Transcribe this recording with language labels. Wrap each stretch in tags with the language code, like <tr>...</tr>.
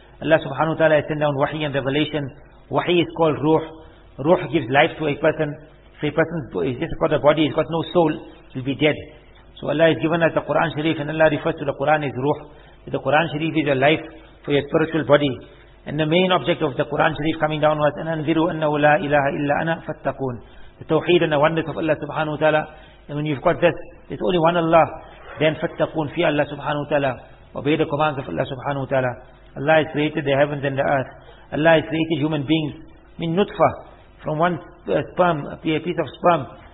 <en>Allah subhanahu wa ta'ala has sent down wahi and revelation. Wahi is called ruh. Ruh gives life to a person. If a person has just got a body, he's got no soul, he'll be dead. So Allah has given us the Quran Sharif, and Allah refers to the Quran as ruh. The Quran Sharif is a life for your spiritual body. And the main object of the Quran Sharif coming down was</en> <ar>أنذروا أنه لا إله إلا أنا فاتقون.</ar> <en>The tawheed and the oneness of Allah subhanahu wa ta'ala. And when you've got this, it's only one Allah. Then</en> <ar>فاتقون في</ar> <en>Allah subhanahu wa ta'ala. Obey the commands of Allah subhanahu wa ta'ala. Allah has created the heavens and the earth. Allah has created human beings. Min nutfa. From one sperm, a piece of sperm.</en>